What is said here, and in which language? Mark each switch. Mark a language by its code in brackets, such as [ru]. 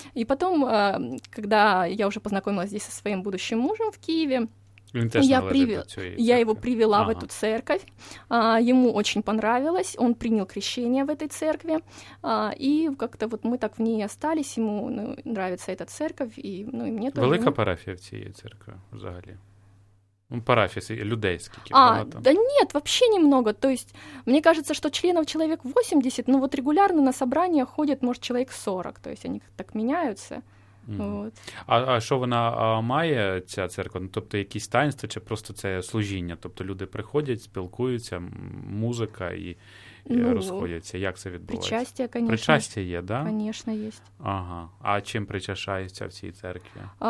[ru] И потом, когда я уже познакомилась здесь со своим будущим мужем в Киеве, я его привела в эту церковь, ему очень понравилось, он принял крещение в этой церкви, и как-то вот мы так в ней остались, ему нравится эта церковь, и мне тоже. [uk] Велика парафія в цій церкві взагалі? Парафіс людейський, [ru] кілька там. Да нет, вообще немного. То есть, мне кажется, что членов человек 80, но вот регулярно на собрания ходят, может, человек 40, то есть они так меняются. Вот. [uk] А що вона має, ця церква? Ну, тобто якісь таїнства чи просто це служіння? Тобто люди приходять, спілкуються, музика і розходяться. Як це відбувається? Причастя, звісно. Причастя є, так? Да? Звісно, є. Ага. А чим причащаються в цій церкві?